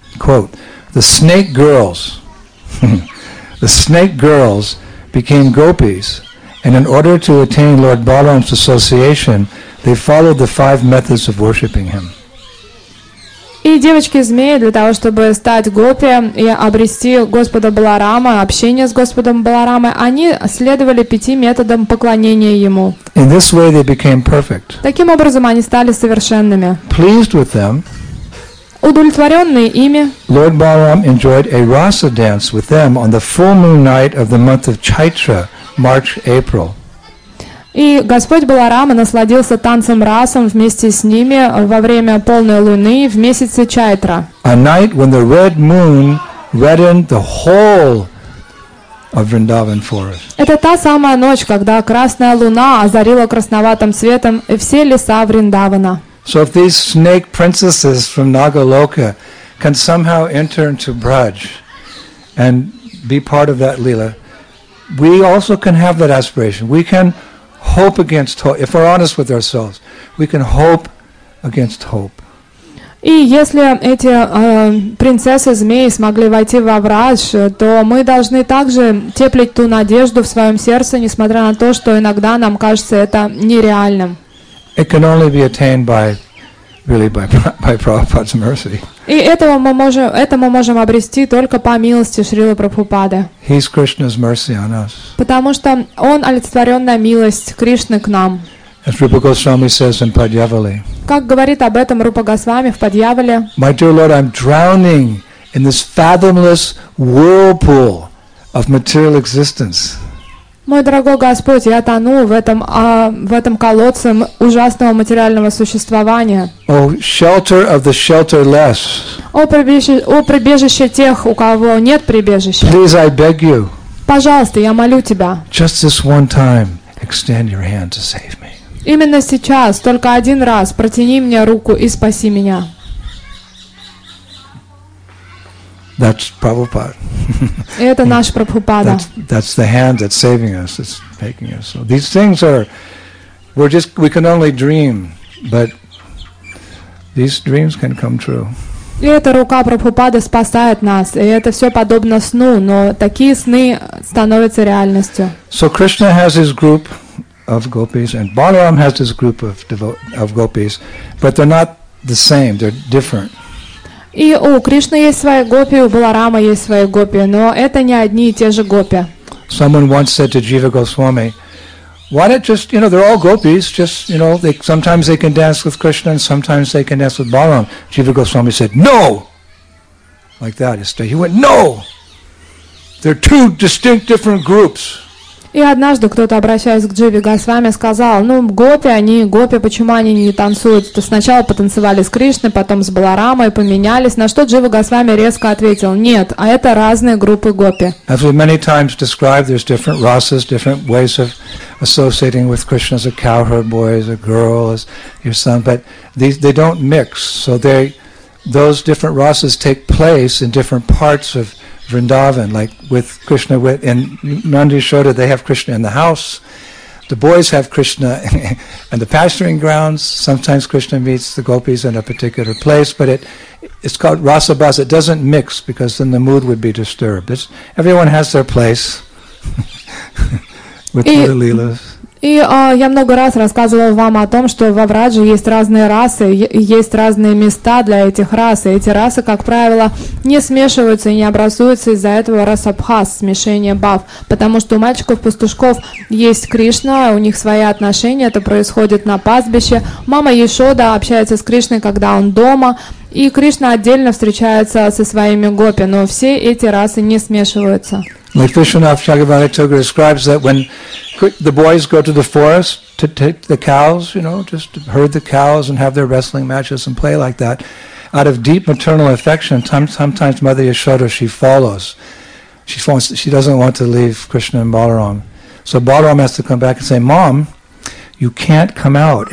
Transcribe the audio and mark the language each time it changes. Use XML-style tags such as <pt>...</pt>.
<en>Quote, the snake girls became gopis, and in order to attain Lord Balaram's association, they followed the 5 methods of worshipping him.</en> <ru>И девочки-змеи, для того, чтобы стать гопи и обрести Господа Баларама, общение с Господом Баларамой, они следовали 5 методам поклонения Ему.</ru> <en>In this way they became perfect.</en> <ru>Таким образом, они стали совершенными.</ru> <en>Pleased with them,</en> <ru>удовлетворенные ими,</ru> <en>Lord Balaram enjoyed a rasa dance with them on the full moon night of the month of Chaitra, March-April.</en> <ru>И Господь Баларама насладился танцем расом вместе с ними во время полной луны в месяце Чайтра.</ru> <en>A night when the red moon reddened the whole of Vrindavan forest.</en> <ru>Это та самая ночь, когда красная луна озарила красноватым цветом все леса Вриндавана.</ru> <en>So if these snake princesses from Nagaloka can somehow enter into Braj and be part of that Leela, we also can have that aspiration. We can hope against hope. If we're honest with ourselves, we can hope against hope.</en> <ru>И если эти принцессы-змеи смогли войти во враж, то мы должны также теплить ту надежду в своем сердце, несмотря на то, что иногда нам кажется это нереальным.</ru> <en>It can only be attained by Prabhupada's mercy.</en> <ru>И этому мы можем обрести только по милости Шрилы Прабхупады.</ru> <en>He's Krishna's mercy on us.</en> <ru>Потому что Он олицетворенная милость Кришны к нам.</ru> <en>As Rupa Goswami says in Padyavali.</en> <ru>Как говорит об этом Рупа Госвами в Падьяволе.</ru> <en>My dear Lord, I'm drowning in this fathomless whirlpool of material existence.</en> <ru>Мой дорогой Господь, я тону в этом колодце ужасного материального существования.</ru> <en>O shelter of the shelterless.</en> <ru>О прибежище тех, у кого нет прибежища.</ru> <en>Please, I beg you.</en> <ru>Пожалуйста, я молю тебя.</ru> <en>Just this one time, extend your hand to save me.</en> <ru>Именно сейчас, только один раз, протяни мне руку и спаси меня.</ru> <en>That's Prabhupada.</en> <ru>Это наш Прабхупада.</ru> <en>That's the hand that's saving us, that's making us. So these things are, we can only dream, but these dreams can come true.</en> <ru>И эта рука Прабхупады спасает нас, и это все подобно сну, но такие сны становятся реальностью.</ru> <en>So Krishna has his group of gopis, and Balaram has his group of gopis, but they're not the same, they're different.</en> <ru>И у Кришны есть свои гопи, у Баларама есть свои гопи, но это не одни и те же гопи.</ru> <en>Someone once said to Jiva Goswami, why not just, you know, they're all gopis, just, you know, they, sometimes they can dance with Krishna and sometimes they can dance with Balaram. Jiva Goswami said, no! Like that. He went, no! They're two distinct different groups.</en> <ru>И однажды кто-то, обращаясь к Дживе Госвами, сказал, ну, гопи, почему они не танцуют? То сначала потанцевали с Кришной, потом с Баларамой, поменялись. На что Джива Госвами резко ответил, нет, а это разные группы гопи.</ru> <en>As we many times described, there's different rasas, different ways of associating with Krishna as a cowherd boy, as a girl, as your son, but they don't mix. So those different rasas take place in different parts of Vrindavan, like with Krishna in Nanda Yashoda, they have Krishna in the house. The boys have Krishna in the pasturing grounds. Sometimes Krishna meets the gopis in a particular place, but it's called rasa bas. It doesn't mix because then the mood would be disturbed. Everyone has their place with the lilas.</en> <ru>И я много раз рассказывал вам о том, что во Врадже есть разные расы, есть разные места для этих рас. И эти расы, как правило, не смешиваются и не образуются из-за этого расабхас, смешение бав. Потому что у мальчиков-пастушков есть Кришна, у них свои отношения, это происходит на пастбище. Мама Яшода общается с Кришной, когда он дома. И Кришна отдельно встречается со своими гопи, но все эти расы не смешиваются.</ru> <en>Like Vishwanath Chakravartitoka describes that when the boys go to the forest to take the cows, you know, just to herd the cows and have their wrestling matches and play like that, out of deep maternal affection, sometimes Mother Yashoda, she follows. She falls, she doesn't want to leave Krishna and Balaram. So Balaram has to come back and say, Mom, you can't come out.</en>